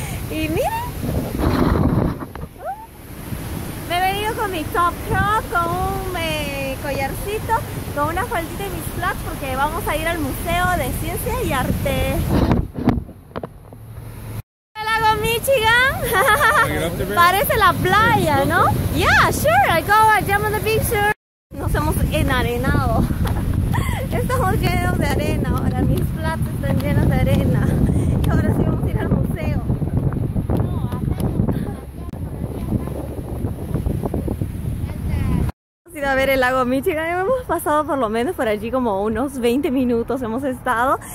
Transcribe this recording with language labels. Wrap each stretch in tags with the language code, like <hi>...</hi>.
<es>Y miren, me he venido con mi top crop, con un collarcito, con una faldita y mis flats, porque vamos a ir al Museo de Ciencia y Arte. El lago Michigan parece la playa, ¿no?</es> <en>Yeah, sure, I go, I jump on the beach, sure.</en> <es>Nos hemos enarenado. Estamos llenos de arena, ahora mis flats están llenos de arena. Y ahora sí vamos a ir al museo. Hemos ido a ver el lago Michigan, hemos pasado por lo menos por allí como unos 20 minutos hemos estado.</es>